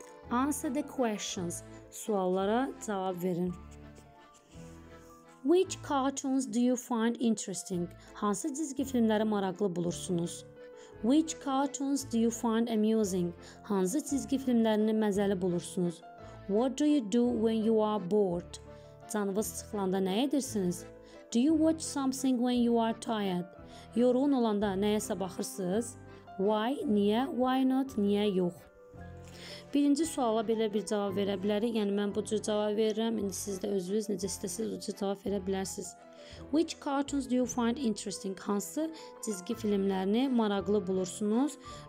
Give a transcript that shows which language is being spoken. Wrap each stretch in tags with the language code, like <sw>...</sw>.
<en>Answer the questions.</en> <az>Suallara cavab verin.</az> <en>Which cartoons do you find interesting?</en> <az>Hansı çizgi filmləri maraqlı bulursunuz?</az> <en>Which cartoons do you find amusing?</en> <az>Hansı çizgi filmlərini məzəli bulursunuz?</az> <en>What do you do when you are bored?</en> <az>Canınız sıxılanda nə edirsiniz?</az> <en>Do you watch something when you are tired?</en> <az>Yorğun olanda nəyəsə baxırsınız?</az> <en>Why?</en> <az>Niyə?</az> <en>Why not?</en> <az>Niyə yox? Birinci suala belə bir cavab verə bilərik. Yəni, mən bu cür cavab verirəm. İndi siz də özünüz necə istəsiniz, o cür cavab verə bilərsiniz.</az> <en>Which cartoons do you find interesting?</en> <az>Hansı cizgi filmlərini maraqlı bulursunuz?</az>